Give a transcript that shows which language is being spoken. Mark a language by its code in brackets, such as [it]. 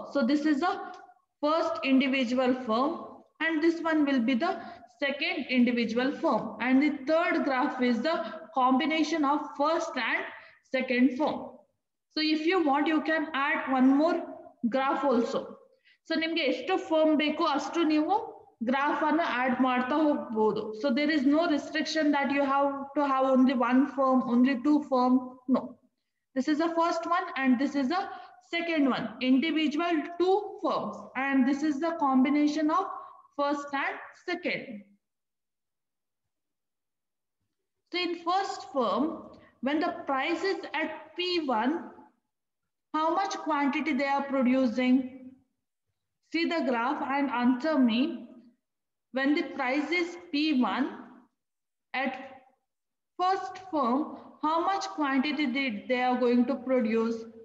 [en] So this is the first individual firm, and this one will be the second individual firm, and the third graph is the combination of first and second firm. So if you want, you can add one more graph also. [kn] So nimge eshtu firm beko astu neevu graph ಅನ್ನು add ಮಾಡ್ತಾ ಹೋಗ್ಬಹುದು. [en] So there is no restriction that you have to have only one firm, only two firm. No, this is a first one and this is a second one, individual two firms, and this is the combination of first and second. So in first firm, when the price is at P1, how much quantity they are producing? See the graph and answer me. When the price is P1 at first firm, how much quantity they are going to produce?